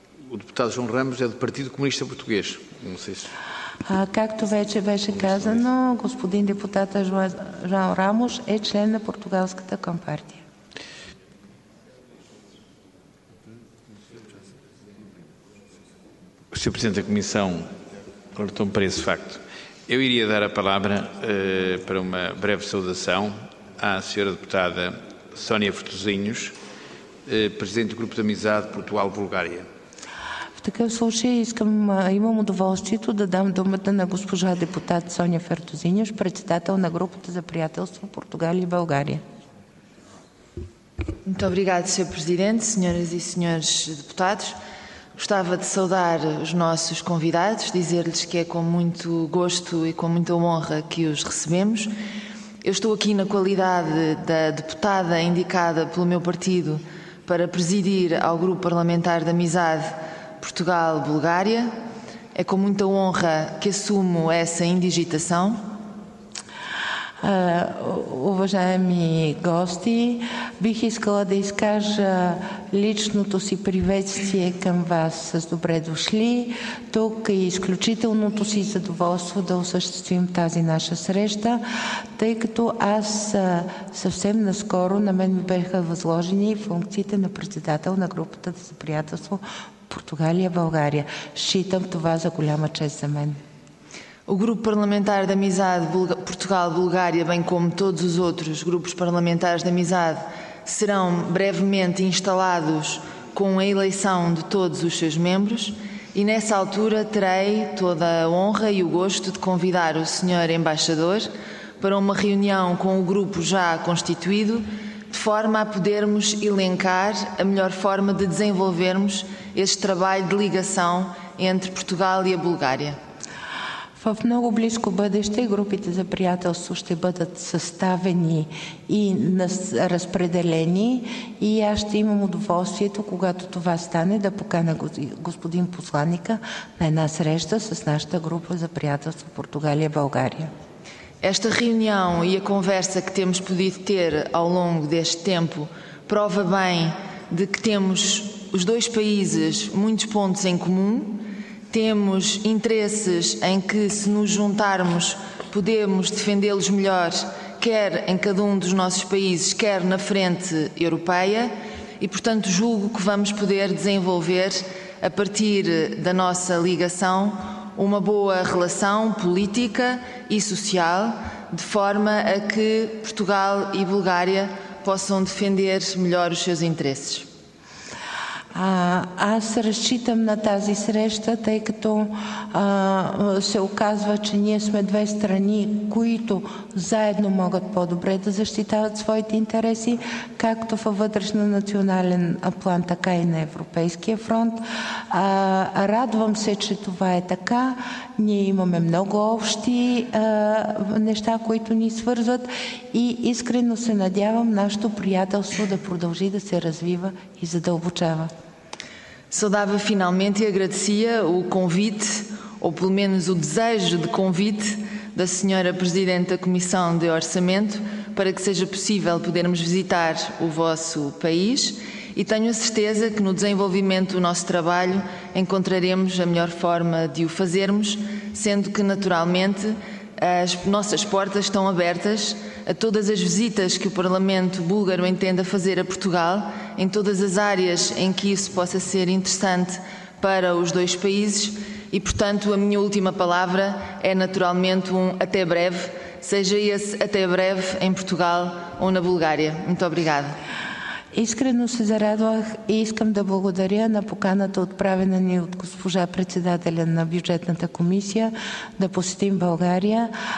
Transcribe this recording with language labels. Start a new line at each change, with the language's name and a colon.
Portuguese: O deputado João Ramos é do Partido Comunista Português. Não sei se...
Bulgarian: Както вече беше казано, господин депутата João Ramos е член на Португалската компартия.
Portuguese: O Sr. Presidente da Comissão cortou-me para esse facto. Eu iria dar a palavra para uma breve saudação à Sra. Deputada Sónia Fortozinhos, Presidente do Grupo de Amizade Portugal-Bulgária.
Bulgarian: В такъв случай имам удоволствието да дам думата на госпожа депутат Соня Фертозинюш, председател на Групата за приятелство Португалия и България.
Portuguese: Muito obrigado, Sr. Presidente, senhoras e senhores deputados. Gostava de saudar os nossos convidados, dizer-lhes que é com muito gosto e com muita honra que os recebemos. Eu estou aqui na qualidade da deputada indicada pelo meu partido para presidir ao Grupo Parlamentar de Amizade Portugal-Bulgária. É com muita honra que assumo essa indigitação.
Bulgarian: Уважаеми гости, бих искала да изкажа личното си приветствие към вас с добре дошли тук и изключителното си задоволство да осъществим тази наша среща, тъй като аз съвсем наскоро на мен ми бяха възложени функциите на председател на групата за приятелство Португалия-България. Считам това за голяма чест за мен.
Portuguese: O Grupo Parlamentar de Amizade Portugal-Bulgária, bem como todos os outros grupos parlamentares de amizade, serão brevemente instalados com a eleição de todos os seus membros e nessa altura terei toda a honra e o gosto de convidar o Sr. Embaixador para uma reunião com o grupo já constituído, de forma a podermos elencar a melhor forma de desenvolvermos este trabalho de ligação entre Portugal e a Bulgária.
Bulgarian: В много близко бъдеще групите за приятелство ще бъдат съставени и разпределени и аз ще имам удоволствието, когато това стане, да покана господин посланника на една среща с нашата група за приятелство Португалия-България.
Portuguese: Esta reunião e a conversa que temos podido ter ao longo deste tempo prova bem de que temos os dois países muitos pontos em comum, temos interesses em que, se nos juntarmos, podemos defendê-los melhor, quer em cada um dos nossos países, quer na frente europeia, e, portanto, julgo que vamos poder desenvolver, a partir da nossa ligação, uma boa relação política e social, de forma a que Portugal e Bulgária possam defender melhor os seus interesses.
Bulgarian: Аз разчитам на тази среща, тъй като се оказва, че ние сме две страни, които заедно могат по-добре да защитават своите интереси, както във вътрешно национален план, така и на Европейския фронт. Радвам се, че това е така. Ние имаме много общи неща, които ни свързват, и искрено се надявам нашето приятелство да продължи да се развива и задълбочава.
Portuguese: Saudava finalmente e agradecia o convite, ou pelo menos o desejo de convite, da Sra. Presidente da Comissão de Orçamento, para que seja possível podermos visitar o vosso país, e tenho a certeza que no desenvolvimento do nosso trabalho encontraremos a melhor forma de o fazermos, sendo que, naturalmente, as nossas portas estão abertas a todas as visitas que o Parlamento búlgaro entenda fazer a Portugal, em todas as áreas em que isso possa ser interessante para os dois países, e, portanto, a minha última palavra é naturalmente um até breve, seja esse até breve em Portugal ou na Bulgária. Muito obrigada.
Bulgarian: Искрено се зарадвах и искам да благодаря на поканата, отправена ни от госпожа председателя на бюджетната комисия, да посетим България.